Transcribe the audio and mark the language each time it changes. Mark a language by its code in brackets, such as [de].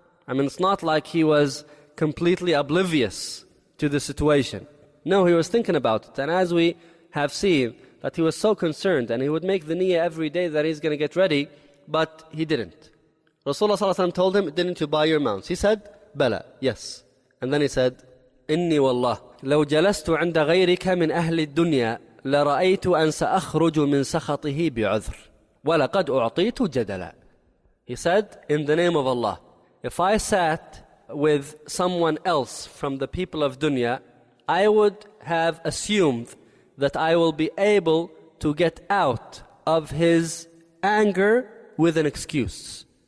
[en] I mean, it's not like he was completely oblivious to the situation. No, he was thinking about it. And as we have seen, that he was so concerned, and he would make the niyyah every day that he's going to get ready, but he didn't. Rasulullah sallallahu alaihi wasallam told him, didn't you buy your mounts? He said, bala, yes. And then he said, [ar] inni wallah, لو جلست عند غيرك من أهل الدنيا لرأيت أن سأخرج من سخطه بعذر ولقد أعطيت جدلا. [en] He said, in the name of Allah, if I sat with someone else from the people of dunya, I would have assumed that I will be able to get out of his anger with an excuse.